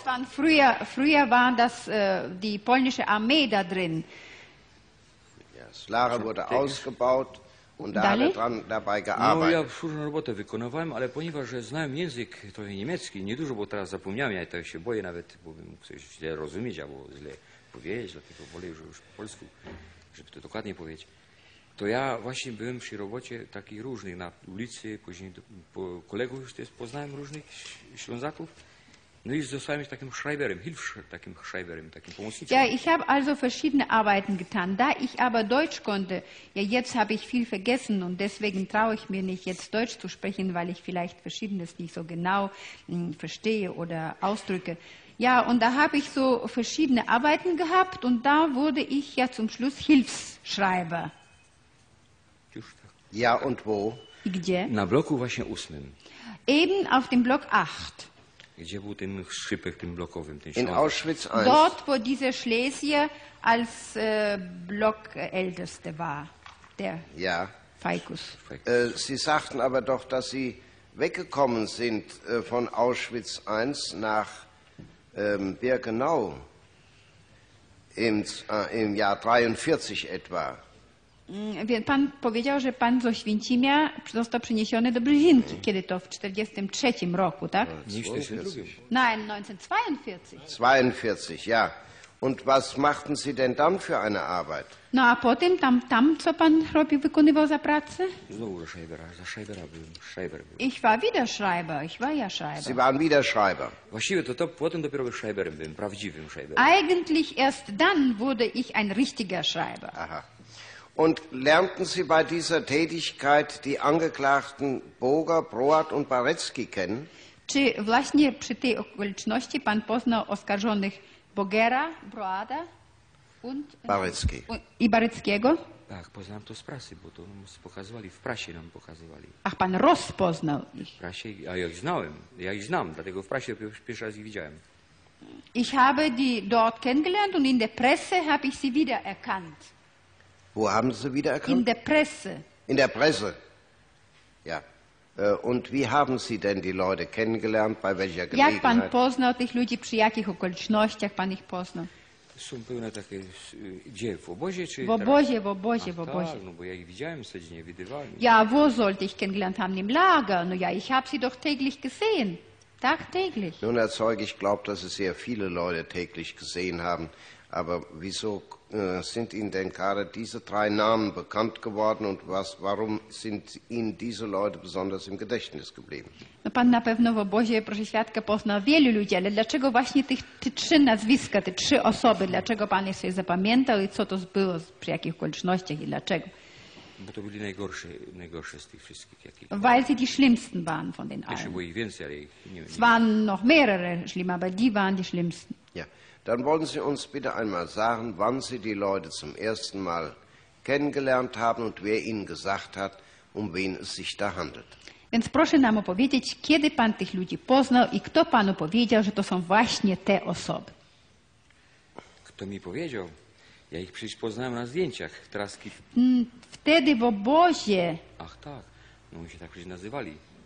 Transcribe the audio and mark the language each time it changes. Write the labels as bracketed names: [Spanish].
[German] Früher waren das die polnische Armee da drin. Das Lager wurde ausgebaut und da hat er dran dabei gearbeitet. [Polish] No, ja różne roboty wykonywałem, ale ponieważ znałem język trochę niemiecki, niedużo, bo teraz zapomniałem, ja to się boję nawet, bo bym mógł coś źle rozumieć albo źle powiedzieć, dlatego wolę już po polsku, żeby to dokładnie powiedzieć. To ja właśnie byłem przy robocie takich różnych, na ulicy, później kolegów już też poznałem różnych Ślązaków. No i zostałem takim Schreiberem, takim pomocnikiem. [German] Ja, ich habe also verschiedene Arbeiten getan. Da ich aber Deutsch konnte, ja jetzt habe ich viel vergessen und deswegen traue ich mir nicht, jetzt Deutsch zu sprechen, weil ich vielleicht Verschiedenes nicht so genau verstehe oder ausdrücke. Ja, und da habe ich so verschiedene Arbeiten gehabt und da wurde ich ja zum Schluss Hilfsschreiber. Ja, und wo? [Polish] Gdzie? Na bloku właśnie 8. [German] Eben auf dem Block 8. [Polish] Gdzie był ten szczypek, ten blokowym? Ten [German] in Auschwitz 1. Dort, wo diese Schlesie als Blockälteste war. Der ja. Feikus. Sie sagten aber doch, dass Sie weggekommen sind von Auschwitz 1 nach Birkenau im Jahr 43 etwa. [Polish] Pan powiedział, że pan z Oświęcimia został przeniesiony do Brzezinki. Kiedy to? W 1943 roku, tak? Nie, 1942. [German] Ja. Und was machten Sie denn dann für eine Arbeit? [Polish] No a potem tam co pan robił, wykonywał za pracę? Znowu za Schreibera byłem. [German] Ich war wieder Schreiber, ich war ja Schreiber. Sie waren wieder Schreiber. [Polish] Właściwie to potem dopiero Schreiberem byłem, prawdziwym Schreiberem. [German] Eigentlich erst dann wurde ich ein richtiger Schreiber. Aha. Und lernten Sie bei dieser Tätigkeit die Angeklagten Boger, Broad und Barecki kennen? [Polish] Czy właśnie przy tej okoliczności pan poznał oskarżonych Bogera, Broada [German] und [Polish] Barecki. I Bareckiego? Tak, poznałem to z prasy, bo to nam pokazywali, w prasie nam pokazywali. Ach, pan rozpoznał ich. W prasie, a ja ich znałem, ja ich znam, dlatego w prasie pierwszy raz ich widziałem. [German] Ich habe die dort kennengelernt und in der Presse habe ich sie wiedererkannt. Wo haben Sie sie wiedererkannt? In der Presse. In der Presse, ja. Und wie haben Sie denn die Leute kennengelernt, bei welcher Gelegenheit? [Polish] Jak pan poznał tych ludzi, przy jakich okolicznościach pan ich poznał? Są pełne takie, gdzie, w obozie czy w obozie, teraz? W obozie, ach, w obozie. Tak, no bo ja ich widziałem, codziennie widywałem. [German] Ja, wo sollte ich kennengelernt haben im Lager? No ja, ich habe sie doch täglich gesehen. Tagtäglich. Nun, Herr Zeug, ich glaube, dass Sie sehr viele Leute täglich gesehen haben. Aber wieso sind Ihnen denn gerade diese drei Namen bekannt geworden und was, warum sind Ihnen diese Leute besonders im Gedächtnis geblieben? [Polish] No, pan na pewno w obozie, proszę świadka, poznał wielu ludzi, ale dlaczego właśnie tych trzy nazwiska, te trzy osoby, dlaczego pan je sobie zapamiętał i co to było, przy jakich okolicznościach i dlaczego? Bo to byli najgorsze z tych wszystkich. [German] Weil sie die schlimmsten waren von den allen. [Polish] Jeszcze było ich więcej, ale ich nie wiem. [German] Es waren noch mehrere schlimm, aber die waren die schlimmsten. Ja. Dann wollen Sie uns bitte einmal sagen, wann Sie die Leute zum ersten Mal kennengelernt haben und wer Ihnen gesagt hat, um wen es sich da handelt. [Polish] Więc proszę nam opowiedzieć, kiedy pan tych ludzi poznał i kto panu powiedział, że to są właśnie te osoby. Kto mi powiedział? Ja ich przecież poznałem na zdjęciach Traski. Wtedy w obozie. Ach tak, no oni się tak przecież nazywali.